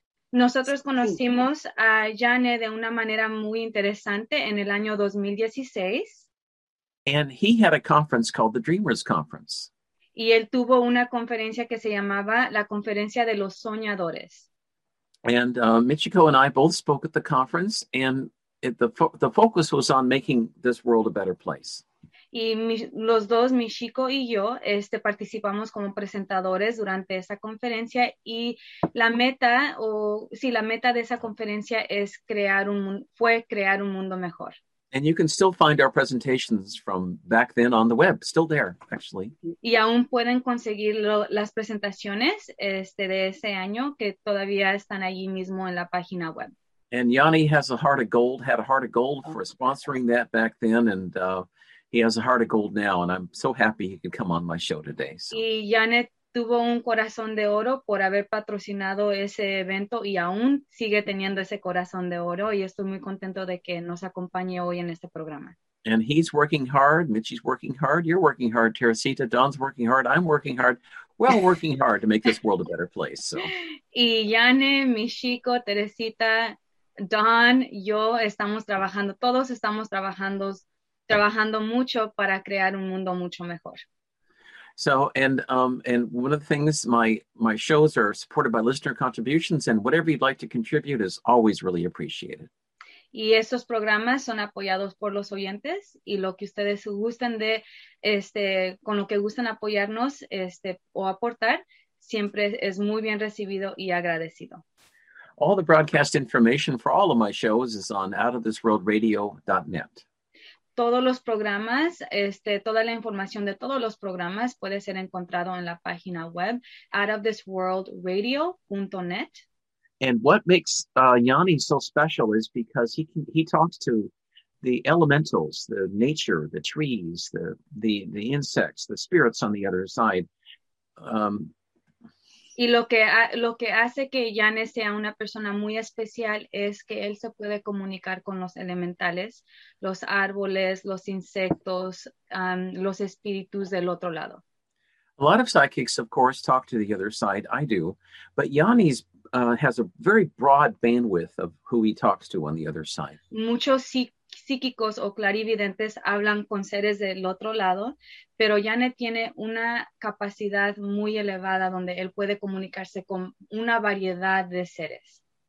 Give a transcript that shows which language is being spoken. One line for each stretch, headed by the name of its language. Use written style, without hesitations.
Spanish: Nosotros conocimos a Janne de una manera muy interesante en el año 2016.
English: And he had a conference called the Dreamers Conference.
Spanish: Y él tuvo una conferencia que se llamaba la Conferencia de los Soñadores.
English: And Michiko and I both spoke at the conference, and the focus was on making this world a better place.
Spanish: Y los dos, Michiko y yo, participamos como presentadores durante esa conferencia, y la meta de esa conferencia fue crear un mundo mejor.
English: And you can still find our presentations from back then on the web, still there, actually.
Spanish: Y aún pueden conseguir las presentaciones de ese año, que todavía están allí mismo en la página web.
English: And Janne had a heart of gold for sponsoring that back then, and he has a heart of gold now, and I'm so happy he could come on my show today.
Spanish: Y Janne tuvo un corazón de oro por haber patrocinado ese evento, y aún sigue teniendo ese corazón de oro, y estoy muy contento de que nos acompañe hoy en este programa.
English: And he's working hard, Michi's working hard, you're working hard, Teresita, Don's working hard, I'm working hard. We're all working hard to make this world a better place.
Spanish: Y Janne, Michiko, Teresita, Don, yo estamos trabajando, todos estamos trabajando mucho para crear un mundo mucho mejor.
English: So, and one of the things, my shows are supported by listener contributions, and whatever you'd like to contribute is always really appreciated.
Spanish: Y estos programas son apoyados por los oyentes, y lo que ustedes gusten de, con lo que gusten apoyarnos, o aportar, siempre es muy bien recibido y agradecido.
English: All the broadcast information for all of my shows is on outofthisworldradio.net.
Spanish: Todos los programas, toda la información de todos los programas puede ser encontrado en la página web outofthisworldradio.net.
English: And what makes Janne so special is because he talks to the elementals, the nature, the trees, the insects, the spirits on the other side.
Spanish: Y lo que hace que Janne sea una persona muy especial es que él se puede comunicar con los elementales, los árboles, los insectos, los espíritus del otro lado.
English: A lot of psychics, of course, talk to the other side. I do. But Janne's has a very broad bandwidth of who he talks to on the other side.
Spanish: Muchos psíquicos o clarividentes hablan con seres del otro lado, pero Janne tiene una capacidad muy elevada donde él puede comunicarse con una variedad de seres.